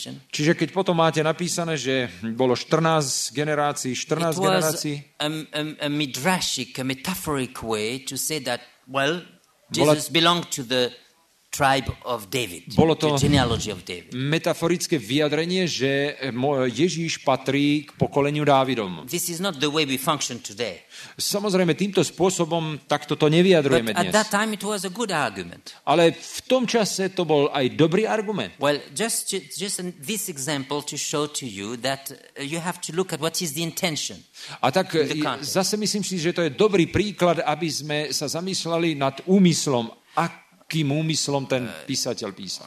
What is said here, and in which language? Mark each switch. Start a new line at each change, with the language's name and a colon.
Slovak: Čiže keď potom máte napísané, že bolo 14 generácií.
English: A midrashic, a metaphoric way to say that, well, Jesus belonged to the tribe of David.
Slovak: Bolo to
English: the genealogy of David.
Slovak: Metaforické vyjadrenie, že Ježíš patrí k pokoleniu Dávidom.
English: This is not the way we function today.
Slovak: Samozrejme týmto spôsobom takto to nevyjadrujeme dnes.
English: at that time it was a good argument.
Slovak: Ale v tom čase to bol aj dobrý argument.
English: Well, just this example to show to you that you have to look at what is the intention.
Slovak: A tak zase myslím si, že to je dobrý príklad, aby sme sa zamysleli nad úmyslom, kým úmyslom ten písateľ písal.